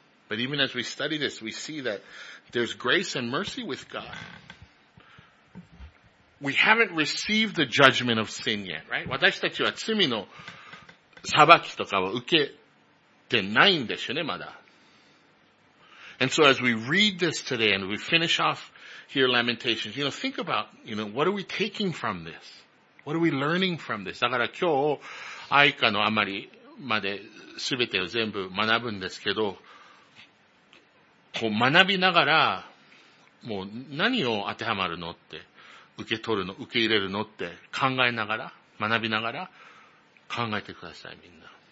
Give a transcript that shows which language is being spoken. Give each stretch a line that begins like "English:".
English: But even as we study this, we see that there's grace and mercy with God. We haven't received the judgment of sin yet, right?
Japanese: 私たちは罪の裁きとかを受けてないんでしょうね、まだ。
English: And so as we read this today and we finish off here Lamentations, you know, think about, you know, what are we taking from this? What are we learning from this?
Japanese: だから今日、愛歌のあまりまで全てを全部学ぶんですけど、こう学びながら、もう何を当てはまるのって、受け取るの、受け入れるのって考えながら、学びながら考えてくださいみんな。